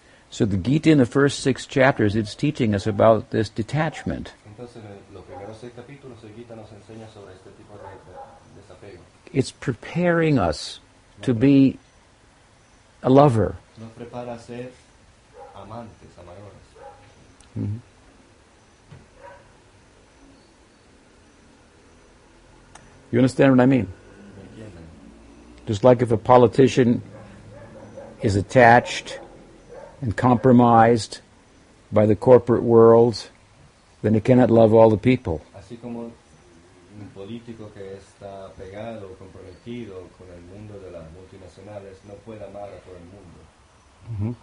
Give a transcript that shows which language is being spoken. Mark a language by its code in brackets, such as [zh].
[en] So the Gita in the first six chapters, it's teaching us about this detachment. [es] Entonces, los primeros seis capítulos, el Gita nos enseña sobre este tipo de desapego. [en] It's preparing us to be a lover. [es] Nos prepara a ser amantes, amadores. [en] You understand what I mean? Just like if a politician is attached and compromised by the corporate world, then he cannot love all the people. [es] Así como un político que está pegado o comprometido con el mundo de las multinacionales no puede amar a todo el mundo.